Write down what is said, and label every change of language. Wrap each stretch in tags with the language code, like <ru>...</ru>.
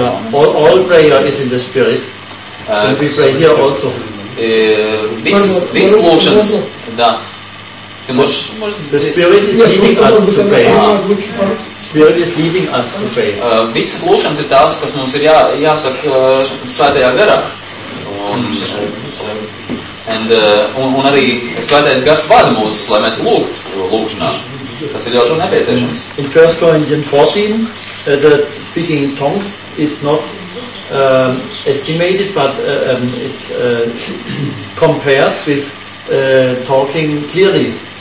<en>All prayer is in the spirit. We pray here also. This functions.</en> <ru>Да. Ты можешь.</ru> <en>The spirit is leading us to pray. Spirit is leading us to pray. This functions</en> <lv>ir tās, kas mums ir jāsaka svētajā garā. Un arī Svētais Gars vada mūs, lai mēs lūgtu lūgšanā. Tas ir ļoti nepieciešams.</lv> <en>In 1 Corinthians 14, the speaking in tongues is not estimated, but it's compared with talking clearly.</en>